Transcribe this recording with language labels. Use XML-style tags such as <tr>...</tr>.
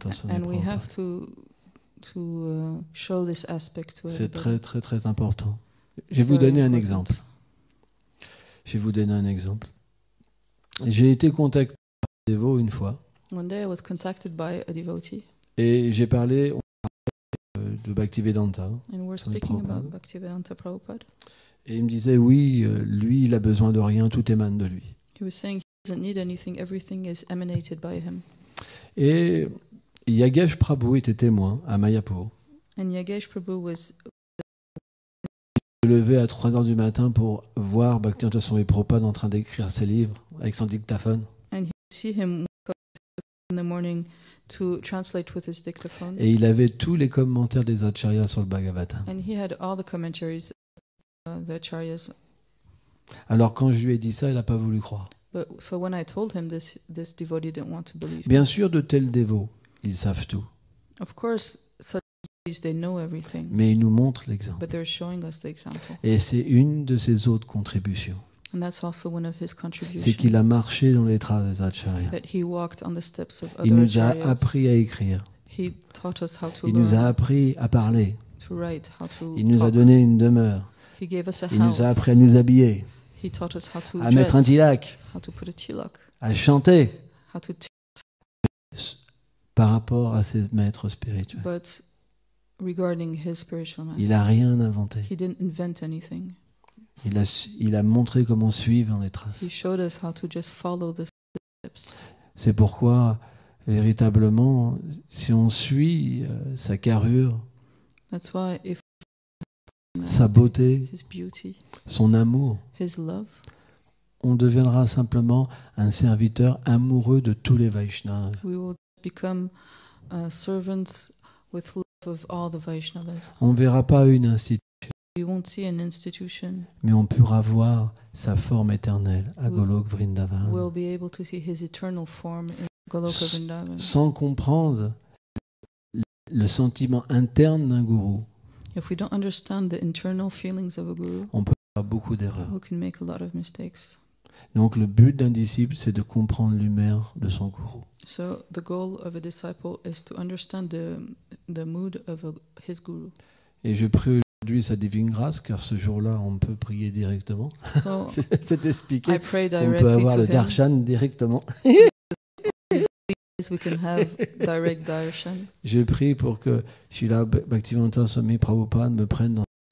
<en>And we have to show this aspect to</en> <fr>C'est très très très important. Je vais vous donner un exemple. J'ai été contacté par un dévot une fois.</fr> <en>One day I was contacted by a devotee.</en> <fr>Et j'ai parlé de Bhaktivedanta.</fr> <en>And we're speaking about Bhaktivedanta Prabhupada.</en> <fr>Et il me disait oui, lui il a besoin de rien, tout émane de lui.</fr> <en>He was saying he doesn't need anything, everything is emanated by him.</en> <fr>Et Yagesh Prabhu était témoin à Mayapur.</fr> <en>And Yagesh Prabhu was</en> <fr>se levé à 3h du matin pour voir Bhaktivedanta Swami Prabhupada en train d'écrire ses livres avec son dictaphone.</fr> <en>And he see him in the morning to translate with his dictaphone.</en> <fr>Et il avait tous les commentaires des acharyas sur le Bhagavata.</fr> <en>And he had all the commentaries the acharyas.</en> <fr>Alors quand je lui ai dit ça, il n'a pas voulu croire.</fr> <en>But so when I told him this devotee didn't want to believe.</en> <fr>Bien sûr de tels dévots ils savent tout.</fr> <en>Of course, such devotees, they know everything.</en> <fr>Mais ils nous montrent l'exemple.</fr> <en>But they're showing us the example.</en> <fr>Et c'est une de ses autres contributions.</fr> <en>And that's also one of his contributions.</en> <fr>C'est qu'il a marché dans les traces des acharyas.</fr> <en>That he walked on the steps of other</en> <fr>Il nous</fr> <en>acharyas.</en> <fr>A appris à écrire.</fr> <en>He taught us how to</en> <fr>Il nous a appris à parler.</fr> <en>To write, how to</en> <fr>Il nous</fr> <en>talk.</en> <fr>A donné une demeure.</fr> <en>He gave us a</en> <fr>Il</fr> <en>house.</en> <fr>Nous a appris à nous habiller.</fr> <en>He taught us how to</en> <fr>à</fr> <en>dress,</en> <fr>mettre un tilak.</fr> <en>How to put a tilak.</en> <fr>À chanter.</fr> <en>How to</en> <fr>par rapport à ses maîtres spirituels.</fr> <en>But regarding his spiritual master,</en> <fr>il n'a rien inventé.</fr> <en>He didn't invent anything.</en> <fr>Il a montré comment suivre dans les traces.</fr> <en>He showed us how to just follow the steps.</en> <fr>C'est pourquoi, véritablement, si on suit sa carrure,</fr> <en>That's why if</en> <fr>sa beauté,</fr> <en>his beauty,</en> <fr>son amour,</fr> <en>his love,</en> <fr>on deviendra simplement un serviteur amoureux de tous les Vaishnavas.</fr> <en>We will become servants with love of all the Vaishnavas.</en> <fr>On verra pas une institution.</fr> <en>We won't see an institution.</en> <fr>Mais on pourra voir sa forme éternelle à Golok Vrindavan.</fr> <en>We'll be able to see his eternal form in Golok Vrindavan.</en> <fr>Sans comprendre le sentiment interne d'un gourou.</fr> <en>If we don't understand the internal feelings of a guru,</en> <fr>on peut faire beaucoup d'erreurs.</fr> <en>We can make a lot of mistakes.</en> <fr>Donc le but d'un disciple, c'est de comprendre l'humeur de son gourou.</fr> <en>So the goal of a disciple is to understand the mood of his guru.</en> <fr>Et je prie aujourd'hui sa divine grâce, car ce jour-là, on peut prier directement.</fr> <en>So</en> <fr>c'est expliqué.</fr> <en>I pray directly</en> <fr>on peut avoir</fr> <en>to</en> <fr>le</fr> <en>him.</en> <fr>Darshan directement.</fr> <en>We can have direct darshan.</en> <fr>Je prie pour que Srila Bhaktivedanta Swami Prabhupada me prenne dans</fr>